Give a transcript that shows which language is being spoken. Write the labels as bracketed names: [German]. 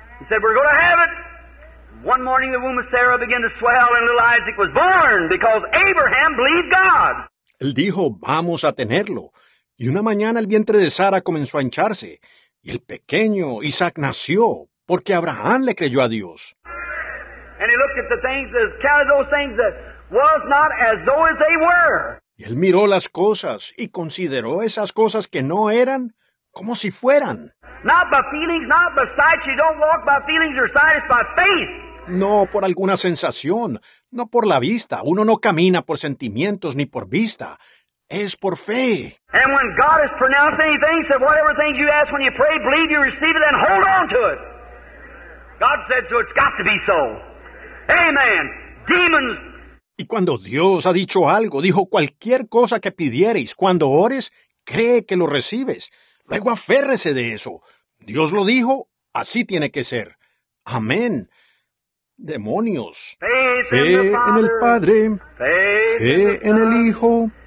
[English] He said, we're going to have it. One morning the womb of Sarah began to swell and little Isaac was born because Abraham believed God. [Spanish] Él dijo, vamos a tenerlo. Y una mañana el vientre de Sara comenzó a hincharse. Y el pequeño Isaac nació porque Abraham le creyó a Dios. [English] And he looked at the things, as counted those things that was not as though as they were. [Spanish] Y él miró las cosas y consideró esas cosas que no eran como si fueran. [English] Not by feelings, not by sight. You don't walk by feelings or sight. It's by faith. [Spanish] No por alguna sensación, no por la vista. Uno no camina por sentimientos ni por vista. Es por fe. [English] And when God has pronounced anything, said whatever things you ask when you pray, believe you receive it and hold on to it. God said so, it's got to be so. Amen. Demons. [Spanish] Y cuando Dios ha dicho algo, dijo cualquier cosa que pidiereis, cuando ores, cree que lo recibes. Luego aférrese de eso. Dios lo dijo, así tiene que ser. Amén. Demonios. Fe en el Padre. Fe en el Hijo.